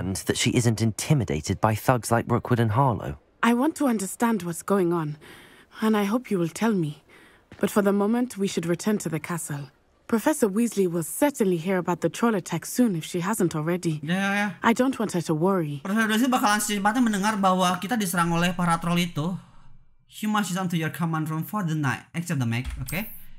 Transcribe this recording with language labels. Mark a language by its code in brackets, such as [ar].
[en] And that she isn't intimidated by thugs like Rookwood and Harlow. I want to understand what's going on, and I hope you will tell me. But for the moment, we should return to the castle. Professor Weasley will certainly hear about the troll attack soon if she hasn't already. Yeah. I don't want her to worry. [id] Professor Weasley bakalan secepatnya mendengar bahwa kita diserang oleh para troll itu. [en] She marches onto your command room for the night, except the mag, okay?